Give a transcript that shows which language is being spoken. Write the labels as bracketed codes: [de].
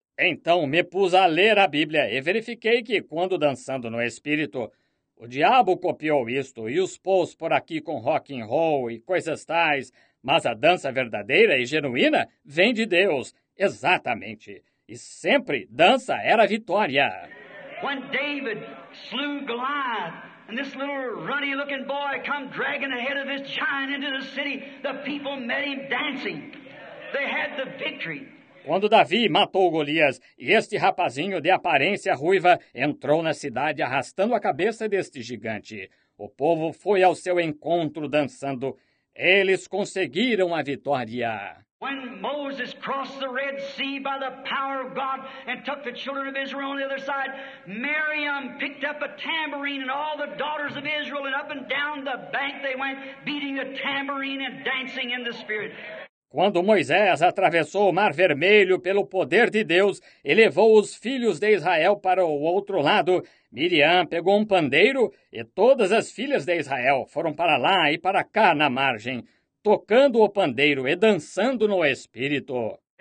[pt] Então me pus a ler a Bíblia e verifiquei que quando dançando no Espírito, o diabo copiou isto e os pôs por aqui com rock and roll e coisas tais. Mas a dança verdadeira e genuína vem de Deus. Exatamente. e sempre dança era vitória. [en] When David slew Goliath, and this little ruddy-looking boy come dragging ahead of this giant into the city, the people met him dancing. They had the victory. [pt] Quando Davi matou Golias, e este rapazinho de aparência ruiva entrou na cidade arrastando a cabeça deste gigante, o povo foi ao seu encontro dançando. Eles conseguiram a vitória. [en] When Moses crossed the Red Sea by the power of God and took the children of Israel on the other side, Miriam picked up a tambourine and all the daughters of Israel, and up and down the bank they went, beating a tambourine and dancing in the Spirit. [pt] Quando Moisés atravessou o Mar Vermelho pelo poder de Deus e levou os filhos de Israel para o outro lado, Miriam pegou um pandeiro e todas as filhas de Israel foram para lá e para cá na margem, tocando o pandeiro e dançando no Espírito.